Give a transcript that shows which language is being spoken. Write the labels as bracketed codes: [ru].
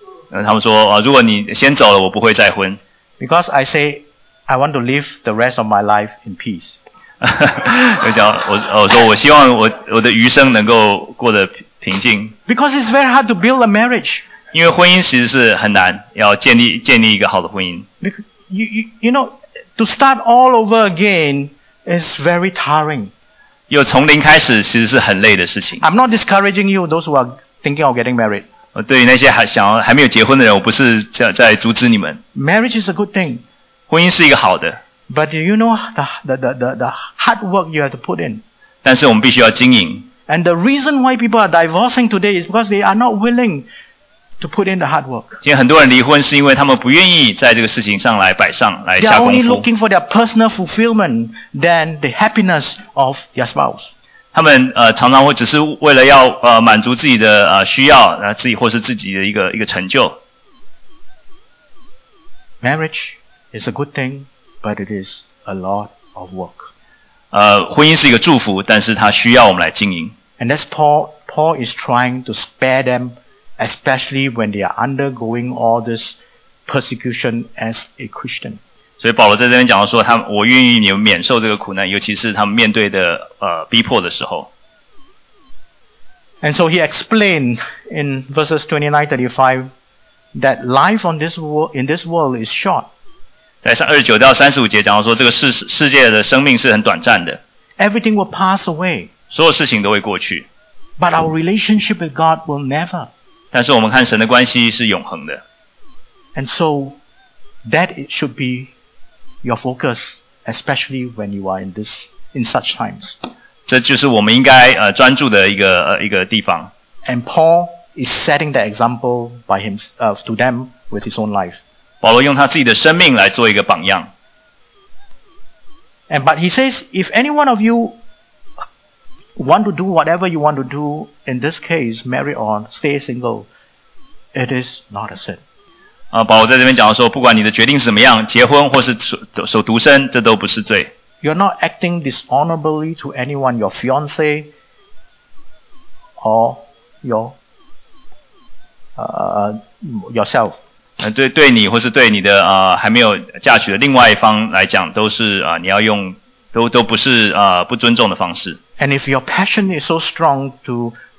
[zh] 他们说如果你先走了，我不会再婚。 [en] Because I say I want to live the rest of my life in peace. [zh] 我说我希望我的余生能够过得平静。 [en] Because it's very hard to build a marriage. [zh] 因为婚姻其实是很难，要建立一个好的婚姻。 [en] Because you know, to start all over again is very tiring. [zh] 又从零开始其实是很累的事情。 [en] I'm not discouraging you, those who are thinking of getting married. [zh] 对于那些还没有结婚的人，我不是在阻止你们。 [en] Marriage is a good thing. [zh] 婚姻是一个好的。 [en] But do you know the hard work you have to put in? [zh] 但是我们必须要经营。 [en] And the reason why people are divorcing today is because they are not willing to put in the hard work. [zh] 今天很多人离婚是因为他们不愿意在这个事情上来下功夫。 [en] They are only looking for their personal fulfillment than the happiness of their spouse. [zh] 他们常常会只是为了要满足自己的需要，自己或是自己的一个成就。 [en] Marriage is a good thing, but it is a lot of work. [zh] 婚姻是一个祝福，但是它需要我们来经营。 [en] And that's Paul is trying to spare them, especially when they are undergoing all this persecution as a Christian. [zh] 所以保罗在这边讲到说，我愿意你们免受这个苦难，尤其是他们面对的逼迫的时候。 [en] And so he explained in verses 29-35 that life on this world is short. [zh] 在29-35节讲到说，这个世界的生命是很短暂的。 [en] Everything will pass away. [zh] 所有事情都会过去。 [en] But our relationship with God will never. [zh] 但是我们看神的关系是永恒的。 [en] And so, that should be your focus, especially when you are in such times. [zh] 这就是我们应该专注的一个地方。 [en] And Paul is setting the example by himself, to them with his own life. [zh] 保罗用他自己的生命来做一个榜样。 [en] And but he says, if any one of you want to do whatever you want to do, in this case, marry or stay single, it is not a sin. [zh] 保罗在这边讲的时候，不管你的决定是怎么样，结婚或是守独身，这都不是罪。 [en] You're not acting dishonorably to anyone, your fiance or yourself. [zh] 对你或是对你的还没有嫁娶的另外一方来讲，都是你要用都不是不尊重的方式。 [en] And if your passion is so strong to